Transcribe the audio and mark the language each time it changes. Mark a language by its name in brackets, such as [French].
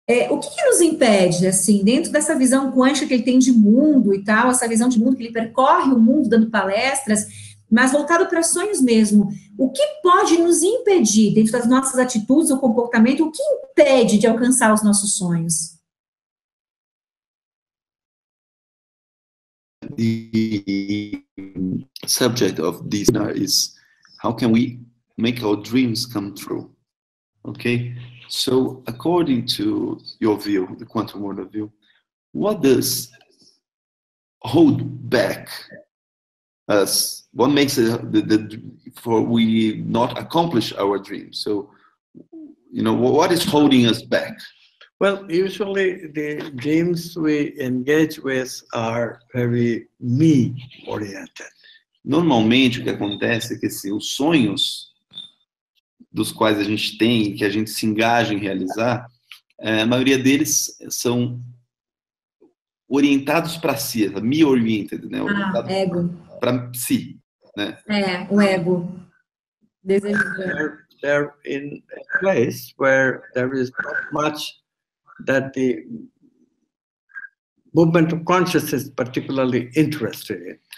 [Portuguese] O que nos impede, assim, dentro dessa visão quântica que ele tem de mundo e tal, essa visão de mundo que ele percorre o mundo dando palestras, mas voltado para sonhos mesmo, o que pode nos impedir, dentro das nossas atitudes ou comportamento, o que impede de alcançar os nossos sonhos? [English] The subject of this is how can we make our dreams come true? Okay? So, according to your view, the quantum world of view, what does hold back us? What makes it for we not accomplish our dreams? So, you know, what is holding us back? Well, usually the dreams we engage with are very me-oriented. [Portuguese] Normalmente, o que acontece é que assim, os sonhos dos quais a gente tem, que a gente se engaja em realizar, a maioria deles são orientados para si, me-oriented, né? Orientado ego. Para si, né? O ego. [English] They're in a place where there is not much that the movement of consciousness is particularly interested in.